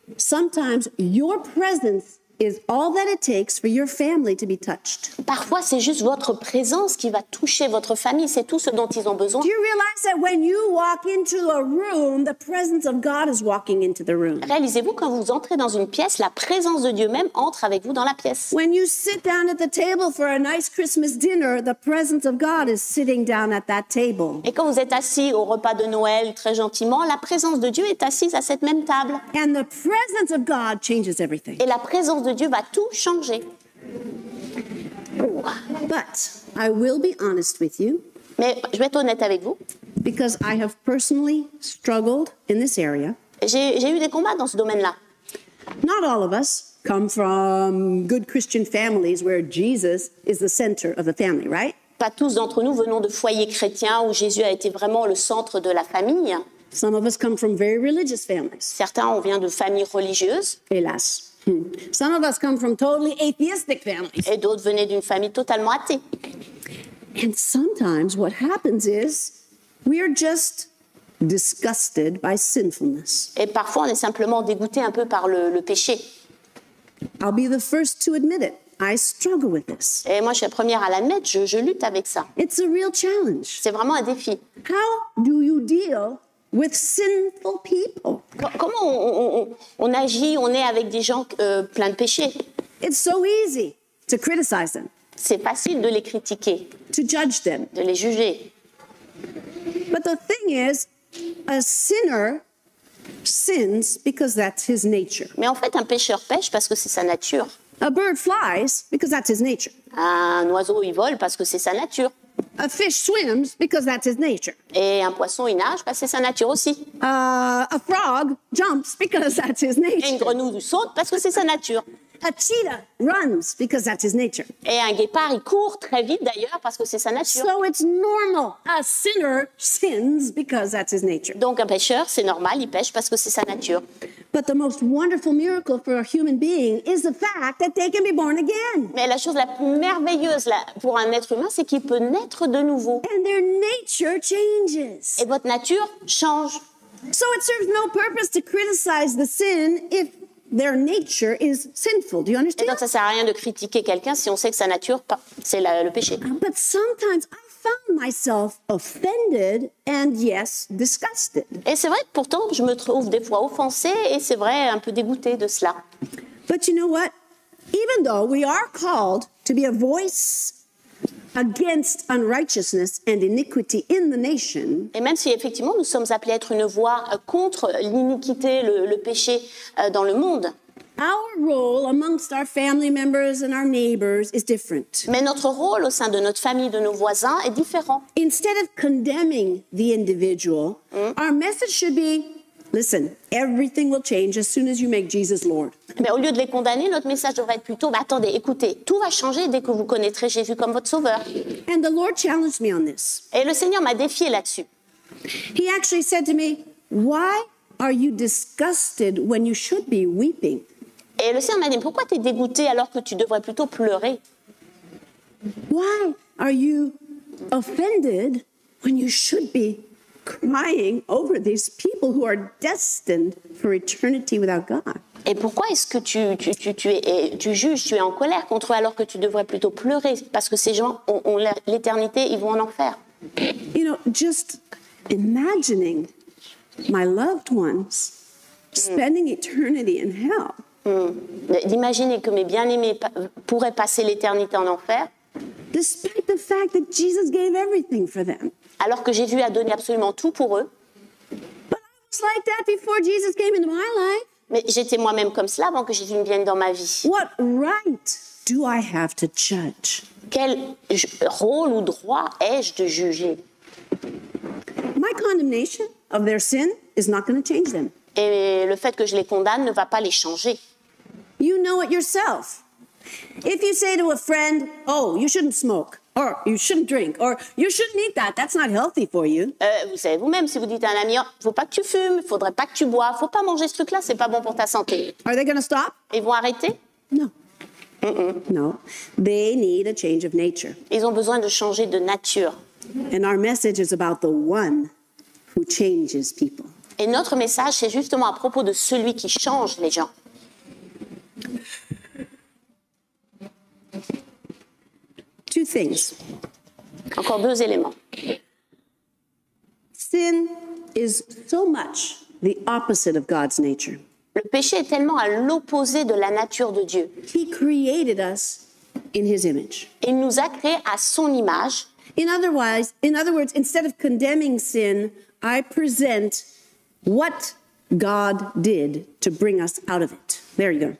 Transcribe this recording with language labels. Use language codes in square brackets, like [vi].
[en] Sometimes your presence is all that it takes for your family to be touched. [fr] Parfois, c'est juste votre présence qui va toucher votre famille. C'est tout ce dont ils ont besoin. [en] Do you realize that when you walk into a room, the presence of God is walking into the room? [fr] Réalisez-vous quand vous entrez dans une pièce, la présence de Dieu même entre avec vous dans la pièce. [en] When you sit down at the table for a nice Christmas dinner, the presence of God is sitting down at that table. [fr] Et quand vous êtes assis au repas de Noël, très gentiment, la présence de Dieu est assise à cette même table. [en] And the presence of God changes everything. [fr] Et la présence de Dieu va tout changer. [en] But I will be honest with you. [fr] Mais je vais être honnête avec vous. [en] Because I have personally struggled in this area. [fr] J'ai eu des combats dans ce domaine-là. [en] Not all of us come from good Christian families where Jesus is the center of the family, right? [fr] Pas tous d'entre nous venons de foyers chrétiens où Jésus a été vraiment le centre de la famille. [en] Some of us come from very religious families. [fr] Certains on vient de familles religieuses. Hélas. [en] Some of us come from totally atheistic families. [fr] Et d'autres venaient d'une famille totalement athée. [en] And sometimes what happens is we are just disgusted by sinfulness. [fr] Et parfois on est simplement dégoûté un peu par le péché. [en] I'll be the first to admit it. I struggle with this. [fr] Et moi je suis la première à l'admettre, je lutte avec ça. [en] It's a real challenge. [fr] C'est vraiment un défi. [en] How do you deal with sinful people? [fr] Comment on agit, on est avec des gens pleins de péchés? [en] It's so easy to criticize them. [fr] C'est facile de les critiquer. [en] To judge them. [fr] De les juger. [en] But the thing is, a sinner sins because that's his nature. [fr] Mais en fait, un pécheur pêche parce que c'est sa nature. [en] A bird flies because that's his nature. [fr] Un oiseau, il vole parce que c'est sa nature. [en] A fish swims because that's his nature. [fr] Et un poisson, il nage parce que c'est sa nature aussi. [en] A frog jumps because that's his nature. [fr] Et une grenouille saute parce que c'est sa nature. [en] A cheetah runs because that's his nature. [fr] Et un guépard, il court très vite d'ailleurs parce que c'est sa nature. [en] So it's normal. A sinner sins because that's his nature. [fr] Donc un pêcheur, c'est normal, il pêche parce que c'est sa nature. [en] But the most wonderful miracle for a human being is the fact that they can be born again. [fr] Mais la chose la plus merveilleuse là, pour un être humain, c'est qu'il peut naître de nouveau. [en] And their nature changes. [fr] Et votre nature change. [en] So it serves no purpose to criticize the sin if their nature is sinful. Do you understand? [fr] Et donc ça sert à rien de critiquer quelqu'un si on sait que sa nature, c'est le péché. [en] But sometimes I found myself offended and yes, disgusted. [fr] Et c'est vrai que pourtant je me trouve des fois offensée et c'est vrai un peu dégoûtée de cela. [en] But you know what? Even though we are called to be a voice against unrighteousness and iniquity in the nation. [fr] Et même si effectivement nous sommes appelés à être une voix contre l'iniquité, le péché dans le monde. [en] Our role amongst our family members and our neighbors is different. [fr] Mais notre rôle au sein de notre famille, de nos voisins, est différent. [en] Instead of condemning the individual, our message should be, listen, everything will change as soon as you make Jesus Lord. [fr] Mais au lieu de les condamner, notre message devrait être plutôt, bah, attendez, écoutez, tout va changer dès que vous connaîtrez Jésus comme votre sauveur. [en] And the Lord challenged me on this. [fr] Et le Seigneur m'a défié là-dessus. [en] He actually said to me, why are you disgusted when you should be weeping? [fr] Et le Seigneur m'a dit, pourquoi t'es dégoûté alors que tu devrais plutôt pleurer? [en] Why are you offended when you should be crying over these people who are destined for eternity without God? [fr] Et pourquoi est-ce que tu es en colère contre eux alors que tu devrais plutôt pleurer parce que ces gens ont l'éternité, ils vont en enfer? [en] You know, just imagining my loved ones spending eternity in hell. [fr] D'imaginer que mes bien-aimés pourraient passer l'éternité en enfer. [en] Despite the fact that Jesus gave everything for them. [fr] Alors que Jésus a donné absolument tout pour eux. [en] But I was like that before Jesus came into my life. [fr] Mais j'étais moi-même comme cela avant que Jésus ne vienne dans ma vie. [en] What right do I have to judge? [fr] Quel rôle ou droit ai-je de juger? [en] My condemnation of their sin is not going to change them. [fr] Et le fait que je les condamne ne va pas les changer. [en] You know it yourself. If you say to a friend, oh, you shouldn't smoke, or you shouldn't drink, or you shouldn't eat that, that's not healthy for you. [fr] Vous savez vous-même, si vous dites à un ami, oh, faut pas que tu fumes, faudrait pas que tu bois, faut pas manger ce truc-là, c'est pas bon pour ta santé. [en] Are they going to stop? [fr] Ils vont arrêter? [en] No. No. They need a change of nature. [fr] Ils ont besoin de changer de nature. [en] And our message is about the one who changes people. [fr] Et notre message, c'est justement à propos de celui qui change les gens. [en] Two things. [fr] Encore deux éléments. [en] Sin is so much the opposite of God's nature. [fr] Le péché est tellement à l'opposé de la nature de Dieu. [en] He created us in his image. [fr] Il nous a créés à son image. [en] In other words, instead of condemning sin, I present what God did to bring us out of it. There you go.